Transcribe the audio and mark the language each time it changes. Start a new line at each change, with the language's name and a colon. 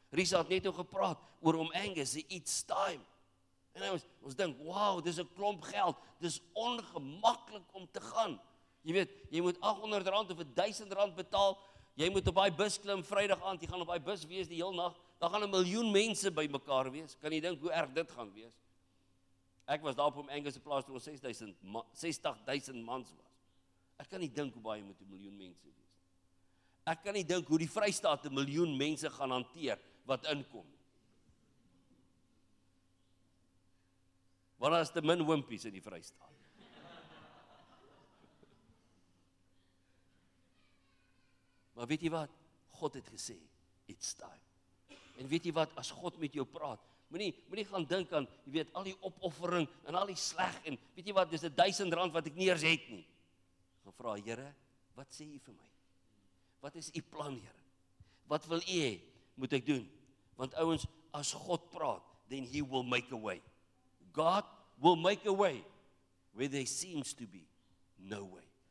Afrikaans: Risa het net al gepraat oor om Angus iets time. En ons dink, wow, dis 'n klomp geld, dis ongemaklik om te gaan. Jy weet, jy moet R800 of R1000 betaal, jy moet op daai bus klim Vrydag aand, jy gaan op daai bus wees die heel nag, daar gaan 'n miljoen mense by mekaar wees, kan jy dink hoe erg dit gaan wees? Ek was daar op om Engelse plaas toe ons 60,000 mans was. Ek kan nie dink hoe baie moet 'n miljoen mense wees. Ek kan nie dink hoe die Vrystaat 'n miljoen mense gaan hanteer wat inkom. Want daar is te min wimpies in die Vrystaat. Maar weet jy wat? God het gesê,
English: it's time.
Afrikaans: En weet jy wat, as God met jou praat, moenie gaan dink aan, jy weet, al die opoffering en al die sleg en weet jy wat, dis R1000 wat ek nie eers het nie. Gaan vra, Here, wat sê jy vir my? Wat is jy plan, Here? Wat wil jy hê, moet ek doen? Want ouwens, as God praat,
English: then he will make a way. God will make a way where there seems to be no way.